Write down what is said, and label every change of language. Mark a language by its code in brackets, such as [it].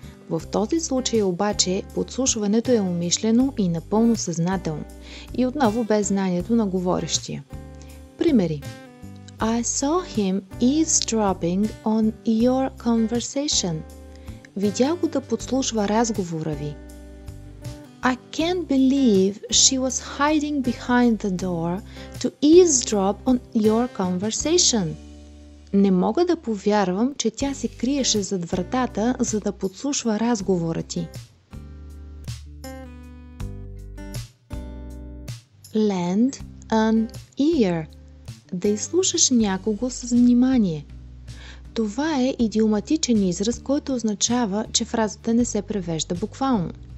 [bg] В този случай обаче подслушването е умишлено и напълно съзнателно. И отново без знанието на говорещия. Примери. [en] I saw him eavesdropping on your conversation. [bg] Видял го да подслушва разговора ви. [en] I can't believe she was hiding behind the door to eavesdrop on your conversation. [bg] Не мога да повярвам, че тя се криеше зад вратата, за да подслушва разговора ти. [en] Lend an ear. [bg] Да изслушаш някого с внимание. Това е идиоматичен израз, който означава, че фразата не се превежда буквално.